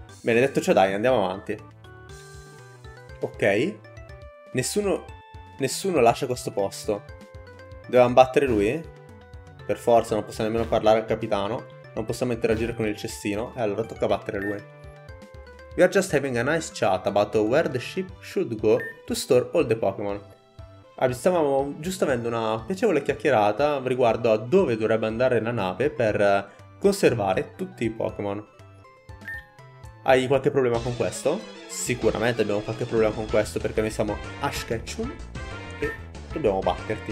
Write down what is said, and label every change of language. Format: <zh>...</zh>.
<it>Bene, detto ciò, dai, andiamo avanti. Ok. Nessuno lascia questo posto. Dovevamo battere lui? Per forza, non posso nemmeno parlare al capitano, non possiamo interagire con il cestino, e allora tocca battere lui.</it> <en>We are just having a nice chat about where the ship should go to store all the Pokémon.</en> <it>Stavamo giusto avendo una piacevole chiacchierata riguardo a dove dovrebbe andare la nave per conservare tutti i Pokémon. Hai qualche problema con questo? Sicuramente abbiamo qualche problema con questo, perché noi siamo Ash Ketchum e dobbiamo batterti.</it>